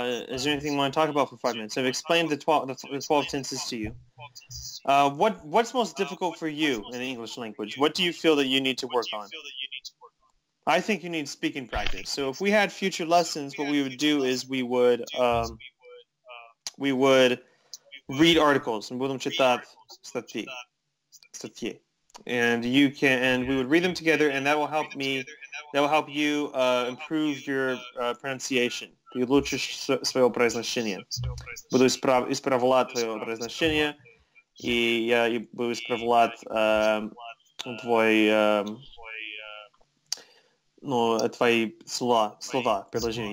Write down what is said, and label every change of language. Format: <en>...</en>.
<en>Is there anything you want to talk about for 5 minutes? I've explained the twelve tenses to you. What's most difficult for you in the English language? What do you feel that you need to work on? I think you need speaking practice. So if we had future lessons, what we would do is we would read articles.</en> <ru>And будем читать статьи.</ru> <en>And we would read them together, and that will help me. That will help you improve your pronunciation.</en> <ru>Ты улучшишь своё произношение. Буду исправлять твоё произношение, и я буду исправлять твои слова, предложения.</ru>